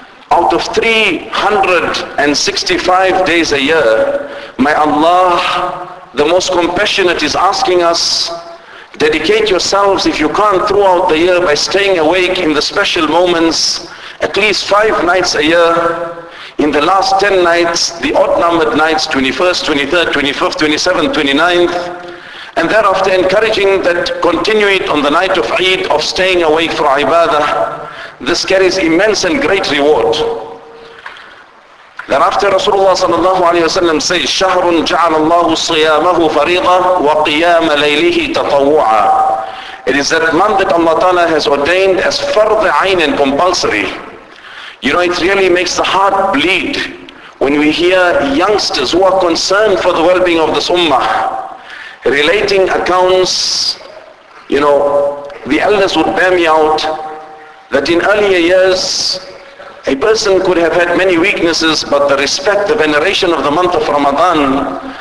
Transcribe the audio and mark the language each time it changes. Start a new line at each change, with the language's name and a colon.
English: Out of 365 days a year, may Allah, the most compassionate, is asking us, dedicate yourselves, if you can't throughout the year, by staying awake in the special moments, at least 5 nights a year, in the last 10 nights, the odd numbered nights, 21st, 23rd, 25th, 27th, 29th, and thereafter encouraging that continue it on the night of Eid, of staying awake for ibadah. This carries immense and great reward. Thereafter Rasulullah sallallahu alayhi wa sallam says,
Arabic: شَهْرٌ جَعَلَ اللَّهُ صِيَامَهُ فَرِيضًا وَقِيَامَ لَيْلِهِ تَطَوُّعًا.
English: It is that month that Allah ta'ala has ordained as fard ayn and compulsory. You know, it really makes the heart bleed when we hear youngsters who are concerned for the well-being of this ummah relating accounts. You know, the elders would bear me out that in earlier years, a person could have had many weaknesses, but the respect, the veneration of the month of Ramadan,